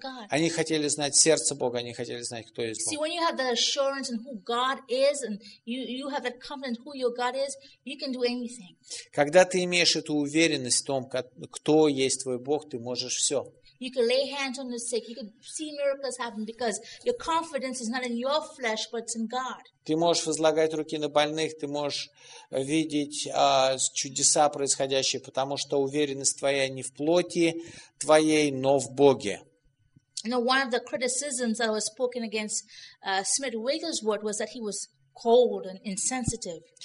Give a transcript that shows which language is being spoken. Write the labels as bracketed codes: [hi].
[ru] Они хотели знать сердце Бога, они хотели знать, кто есть Бог. [en] See, when you have that assurance in who God is, and you have that confidence in who your God is, you can do anything. [ru] Когда ты имеешь эту уверенность в том, кто есть твой Бог, ты можешь все. [en] You can lay hands on the sick. You can see miracles happen because your confidence is not in your flesh, but it's in God. [ru] Ты можешь возлагать руки на больных, ты можешь видеть чудеса происходящие, потому что уверенность твоя не в плоти твоей, но в Боге. [en] You know, one of the criticisms that was spoken against Smit Wigglesworth was that he was cold and insensitive.